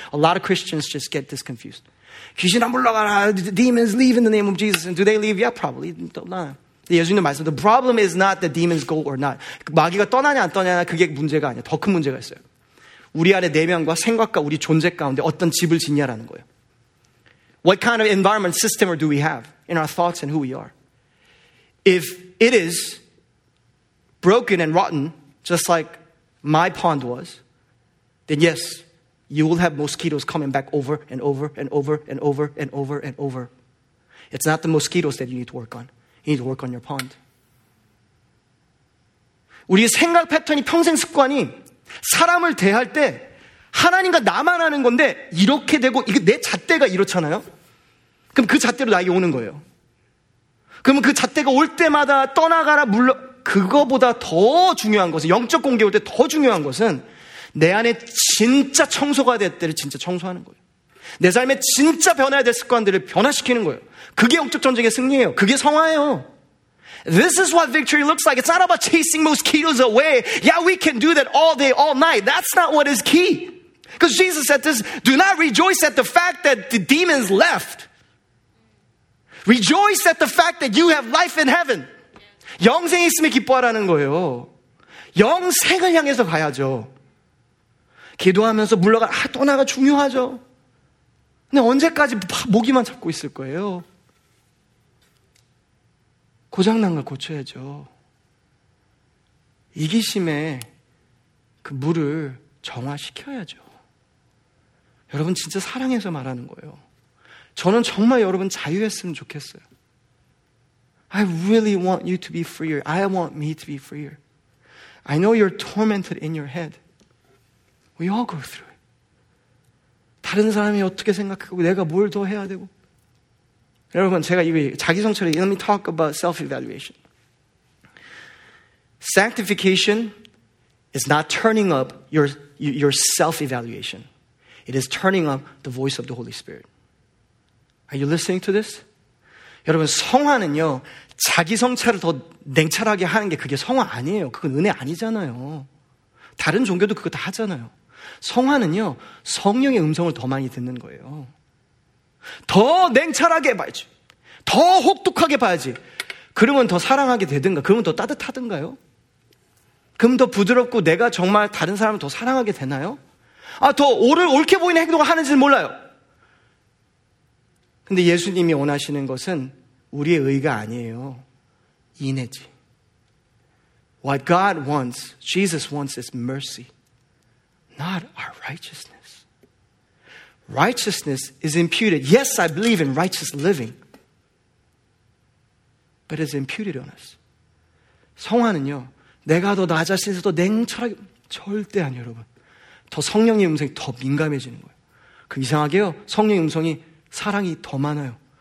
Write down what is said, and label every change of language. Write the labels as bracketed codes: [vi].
[en] A lot of Christians just get this confused. [ko] 귀신아 물러가라. [en] Demons leave in the name of Jesus. And do they leave? Yeah, probably. [ko] 예수님도 말씀. [en] The problem is not that demons go or not. [ko] 마귀가 떠나냐 안 떠나냐 그게 문제가 아니야. 더 큰 문제가 있어요. 우리 안에 내면과 생각과 우리 존재 가운데 어떤 집을 짓냐라는 거예요. [en] What kind of environment system do we have in our thoughts and who we are? If it is broken and rotten, just like my pond was, then yes, you will have mosquitoes coming back over and over and over and over and over and over. It's not the mosquitoes that you need to work on. You need to work on your pond. [ko] 우리의 생각 패턴이 평생 습관이 사람을 대할 때 하나님과 나만 하는 건데 이렇게 되고 이게 내 잣대가 이렇잖아요. 그럼 그 잣대로 나에게 오는 거예요. 그러면 그 잣대가 올 때마다 떠나가라 물러... 그거보다 더 중요한 것은 영적 공개 올 때 더 중요한 것은 내 안에 진짜 청소가 될 때를 진짜 청소하는 거예요 내 삶에 진짜 변해야 될 습관들을 변화시키는 거예요 그게 영적 전쟁의 승리예요 그게 성화예요 [en] This is what victory looks like It's not about chasing mosquitoes away Yeah, we can do that all day, all night That's not what is key Because Jesus said this Do not rejoice at the fact that the demons left Rejoice at the fact that you have life in heaven [ko] 영생이 있으면 기뻐하라는 거예요. 영생을 향해서 가야죠. 기도하면서 물러가, 아, 떠나가 중요하죠. 근데 언제까지 모기만 잡고 있을 거예요. 고장난 걸 고쳐야죠. 이기심에 그 물을 정화시켜야죠. 여러분 진짜 사랑해서 말하는 거예요. 저는 정말 여러분 자유했으면 좋겠어요. [en] I really want you to be freer. I want me to be freer. I know you're tormented in your head. We all go through it. [ko] 다른 사람이 어떻게 생각하고 내가 뭘 더 해야 되고. 여러분 제가 이거 자기 성찰에 [en] Let me talk about self-evaluation. Sanctification is not turning up your self-evaluation. It is turning up the voice of the Holy Spirit. Are you listening to this? [ko] 여러분 성화는요 자기 성찰을 더 냉철하게 하는 게 그게 성화 아니에요. 그건 은혜 아니잖아요. 다른 종교도 그거 다 하잖아요. 성화는요 성령의 음성을 더 많이 듣는 거예요. 더 냉철하게 봐야지. 더 혹독하게 봐야지. 그러면 더 사랑하게 되든가 그러면 더 따뜻하든가요? 그럼 더 부드럽고 내가 정말 다른 사람을 더 사랑하게 되나요? 아, 더 옳게 보이는 행동을 하는지는 몰라요. 근데 예수님이 원하시는 것은 우리의 의가 아니에요. 인내지. [en] What God wants, Jesus wants is mercy, not our righteousness. Righteousness is imputed. Yes, I believe in righteous living, but it's imputed on us. [ko] 성화는요, 내가 더 나 자신에서 더 냉철하게, 절대 아니에요, 여러분. 더 성령의 음성이 더 민감해지는 거예요. 그 이상하게요, 성령의 음성이 사랑이 더 많아요.